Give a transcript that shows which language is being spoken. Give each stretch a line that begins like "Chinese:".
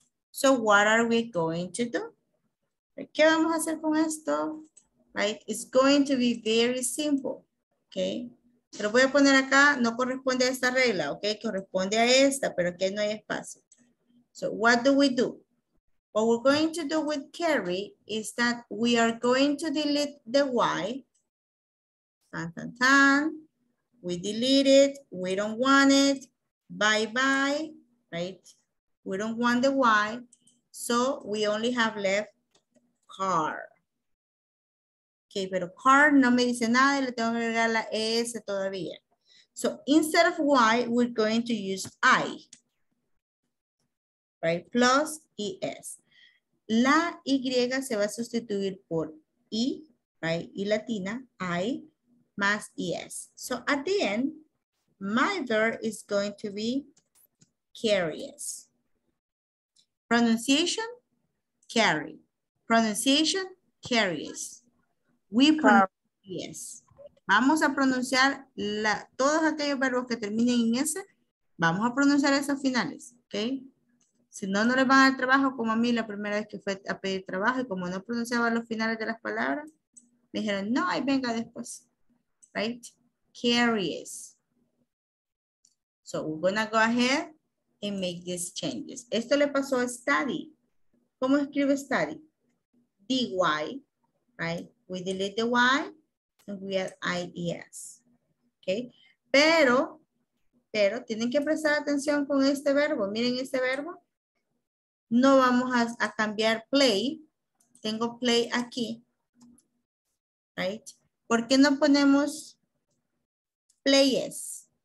English: So what are we going to do?
Spanish: ¿Qué vamos a hacer con esto?
English: Right? It's going to be very simple. Okay.
Spanish: Pero voy a poner acá, no corresponde a esta regla, okay? Corresponde a esta, pero aquí no hay espacio.
English: So what do we do? What we're going to do with carry is that we are going to delete the Y. Tan, tan, tan. We delete it. We don't want it. Bye bye, right? We don't want the Y. So we only have left car.
Spanish: Ok, pero car no me dice nada y le tengo que agregar la S todavía.
English: So, instead of Y, we're going to use I. Right? Plus ES.
Spanish: La Y se va a sustituir por I, right? Y latina, I, más ES.
English: So, at the end, my verb is going to be carries. Pronunciation, carry. Pronunciation, carries. We pronounce yes.
Spanish: Vamos a pronunciar la, todos aquellos verbos que terminen en S. Vamos a pronunciar esos finales, ¿ok? Si no, no les van a dar trabajo como a mí la primera vez que fue a pedir trabajo y como no pronunciaba los finales de las palabras, me dijeron, no, ahí venga después.
English: Right? Carries. So we're gonna go ahead and make these changes.
Spanish: Esto le pasó a study. ¿Cómo escribe study?
English: D-Y, right? We delete the Y and we add IES. Okay?
Spanish: Pero tienen que prestar atención con este verbo. Miren este verbo. No vamos a cambiar play. Tengo play aquí. Right? ¿Por qué no ponemos players?